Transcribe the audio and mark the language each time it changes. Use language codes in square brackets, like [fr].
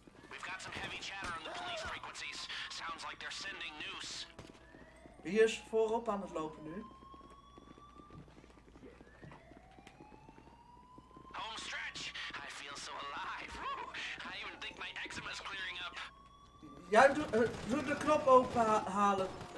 [en] We've got some heavy chatter on the police frequencies. Sounds like they're sending news. [nl] Wie is voorop aan het lopen nu? [en] Home stretch! I feel so alive! Woo! I even think my eczema is clearing up. [nl] Jij doet de knop open halen.